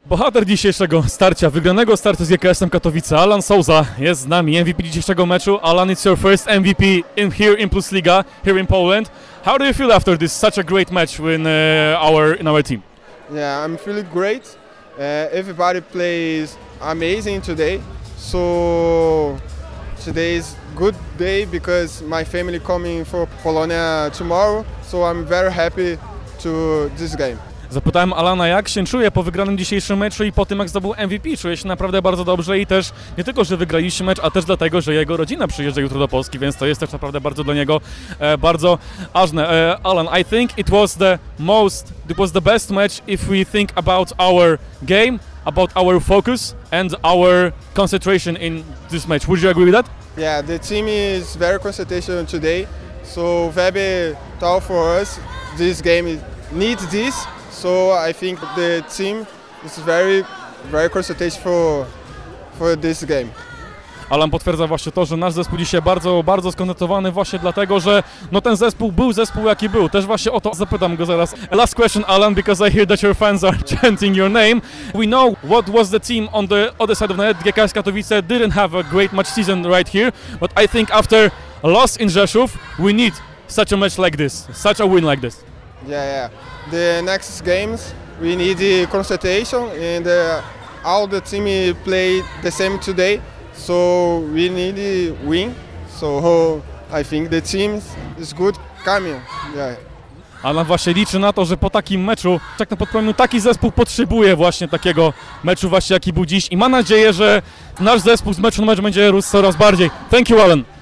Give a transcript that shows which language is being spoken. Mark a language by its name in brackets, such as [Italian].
[Polish] Bohater dzisiejszego starcia, wygranego starcia z GKS-em Katowice, Alan Souza jest z nami, MVP dzisiejszego meczu. [English] Alan, it's your first MVP in here in Plusliga, here in Poland. How do you feel after this such a great match in our team? Yeah, I'm feeling great. Everybody plays amazing today. So today is good day because my family coming for Polonia tomorrow. So I'm very happy to this game. [Polish] Zapytałem Alana, jak się czuje po wygranym dzisiejszym meczu i po tym, jak zdobył MVP. Czuje się naprawdę bardzo dobrze i też nie tylko, że wygraliście mecz, a też dlatego, że jego rodzina przyjeżdża jutro do Polski, więc to jest też naprawdę bardzo dla niego bardzo ważne. [English] Alan, I think it was the best match if we think about our game, about our focus and our concentration in this match. Would you agree with that? Yeah, the team is very concentrated today, so very tough for us. This game needs this. So I think the team is very, very concentrated for this game. [Polish] Alan potwierdza właśnie to, że nasz zespół dzisiaj bardzo, bardzo skoncentrowany właśnie dlatego, że no ten zespół był zespół jaki był. Też właśnie o to zapytam go zaraz. [English] Last question, Alan, because I hear that your fans are chanting your name. We know what was the team on the other side of the net. GKS Katowice didn't have a great match season right here, but I think after a loss in Rzeszów, we need such a match like this, such a win like this. Yeah. The next games, we need the concentration, and all the team played the same today, so we need to win. So I think the team is good coming. Yeah. [Polish] Ale właśnie liczy na to, że po takim meczu, tak na podpowiem, taki zespół potrzebuje właśnie takiego meczu właśnie, jaki był dziś. I ma nadzieję, że nasz zespół z meczu na mecz będzie rósł coraz bardziej. [English] Thank you, Alan.